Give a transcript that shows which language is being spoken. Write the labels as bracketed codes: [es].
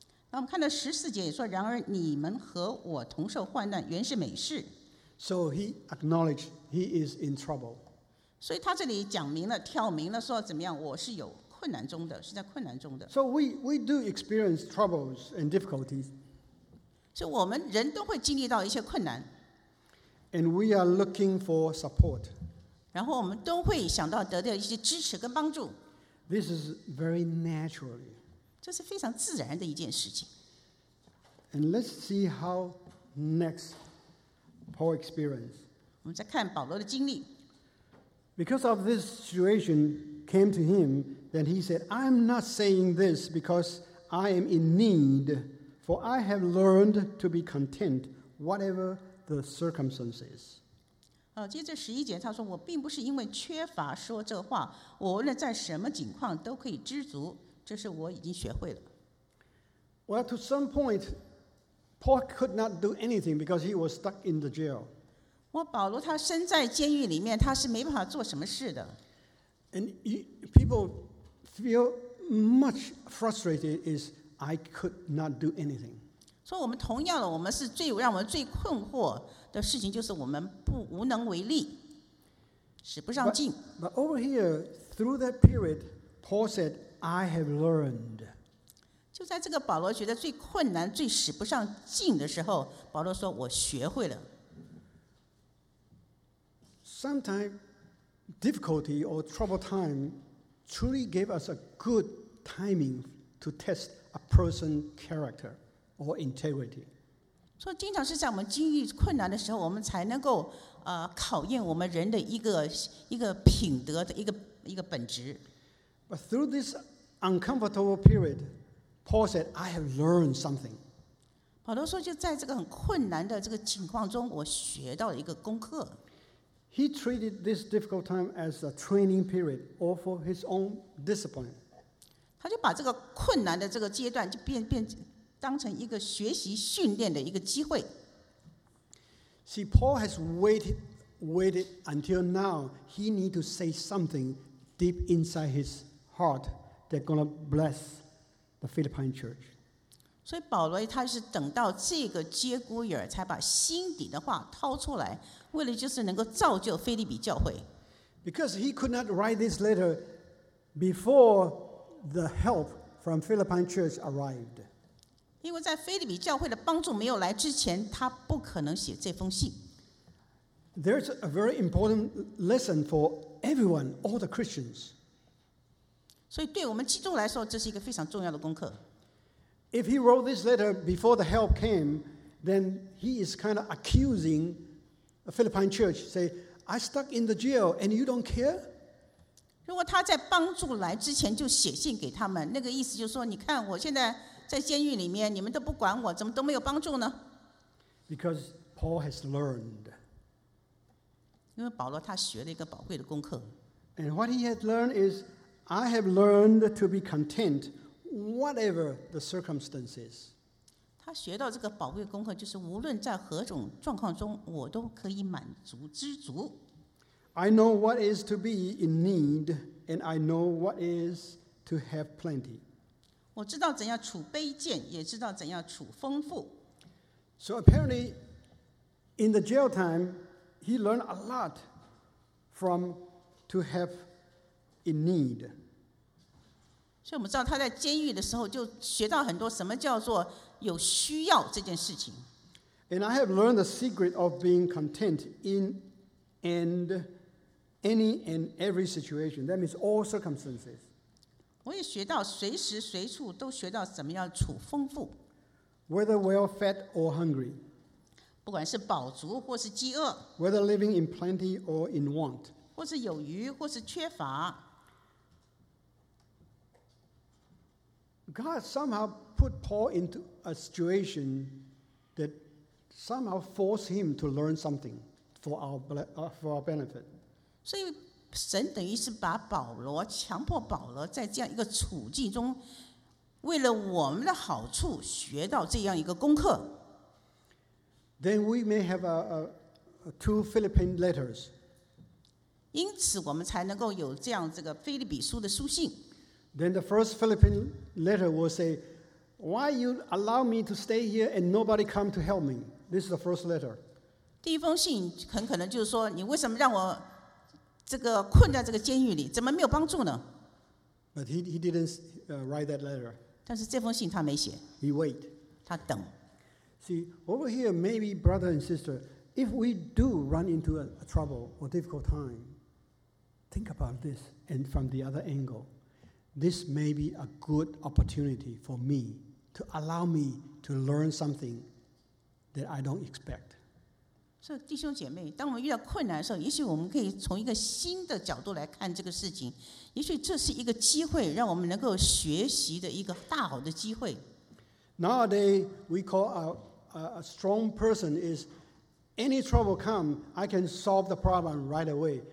[zh] 那我们看到十四节也说，然而你们和我同受患难，原是美事。 [en] So he acknowledged he is in trouble. [zh] 所以他这里讲明了、挑明了，说怎么样，我是有。困难中的是在困难中的。 [en] So we do experience troubles and difficulties. [zh] 所以我们人都会经历到一些困难。 [en] And we are looking for support. [zh] 然后我们都会想到得到一些支持跟帮助。 [en] This is very naturally. [zh] 这是非常自然的一件事情。 [en] And let's see how next Paul experienced. [zh] 我们再看保罗的经历。 [en] Because of this situation came to him. Then he said, I'm not saying this because I am in need, for I have learned to be content, whatever the circumstances. [zh] 接着十一节他说，我并不是因为缺乏说这话，我无论在什么境况都可以知足，这是我已经学会了。 [en] Well, to some point, Paul could not do anything because he was stuck in the jail. [zh] 保罗他身在监狱里面，他是没办法做什么事的。 [en] And people... feel much frustrated is I could not do anything. [zh] So, 我们同样的，我们是最让我们最困惑的事情，就是我们不无能为力，使不上劲。 [en] But over here, through that period, Paul said, "I have learned." [zh] 就在这个保罗觉得最困难、最使不上劲的时候，保罗说：“我学会了。” [en] Sometimes, difficulty or trouble time. Truly gave us a good timing to test a person's character or integrity. [zh] So, 经常是在我们经历困难的时候，我们才能够考验我们人的一个品德的一个本质。 [en] But through this uncomfortable period, Paul said, "I have learned something." [zh] 保罗说，就在这个很困难的这个情况中，我学到了一个功课。 [en] He treated this difficult time as a training period or for his own discipline. [zh] 他就把这个困难的这个阶段就变当成一个学习训练的一个机会。 [en] See, Paul has waited until now. He needs to say something deep inside his heart that's going to bless the Philippine church. [zh] 所以保罗他是等到这个节骨眼才把心底的话掏出来。为了就是能够造就腓立比教会。 [en] Because he could not write this letter before the help from Philippine Church arrived. [zh] 因为在腓立比教会的帮助没有来之前，他不可能写这封信。 [en] There's a very important lesson for everyone, all the Christians. [zh] 所以对我们基督徒来说，这是一个非常重要的功课。 [en] If he wrote this letter before the help came, then he is kind of accusing a Philippine church, say, I stuck in the jail and you don't care? [zh] 如果他在帮助来之前就写信给他们，那个意思就是说，你看我现在在监狱里面，你们都不管我，怎么都没有帮助呢？ [en] Because Paul has learned. [zh] 因为保罗他学了一个宝贵的功课。 [en] And what he had learned is, I have learned to be content. Whatever the circumstances. [zh] 他学到这个宝贵功课，就是无论在何种状况中，我都可以满足知足。 [en] I know what is to be in need, and I know what is to have plenty. [zh] 我知道怎样处卑贱，也知道怎样处丰富。 [en] So apparently, in the jail time, he learned a lot from to have in need. [zh] 所以我们知道他在监狱的时候就学到很多什么叫做有需要这件事情。 [en] And I have learned the secret of being content in and any and every situation. That means all circumstances. [zh] 我也学到随时随处都学到怎么样处丰富。 [en] Whether well fed or hungry. [zh] 不管是饱足或是饥饿。 [en] Whether living in plenty or in want. [zh] 或是有余或是缺乏。 [en] God somehow put Paul into a situation that somehow forced him to learn something for our benefit. [zh] 所以神等于是把保罗强迫保罗在这样一个处境中，为了我们的好处学到这样一个功课。 [en] Then we may have two Philippine letters. [zh] 因此我们才能够有这样这个腓立比书的书信。 [en] Then the first Philippine letter will say, Why you allow me to stay here and nobody come to help me? This is the first letter. [zh] 第一封信很可能就是说，你为什么让我这个困在这个监狱里？怎么没有帮助呢？ [en] But he didn't write that letter. [zh] 但是这封信他没写。 [en] He wait. [zh] 他等。 [en] See, over here, maybe brother and sister, if we do run into a trouble or difficult time, think about this and from the other angle. This may be a good opportunity for me to allow me to learn something that I don't expect. [zh] So, 弟兄姐妹，当我们遇到困难的时候，也许我们可以从一个新的角度来看这个事情。也许这是一个机会，让我们能够学习的一个大好的机会。 [en] Nowadays, we call a strong person is any trouble come, I can solve the problem right away.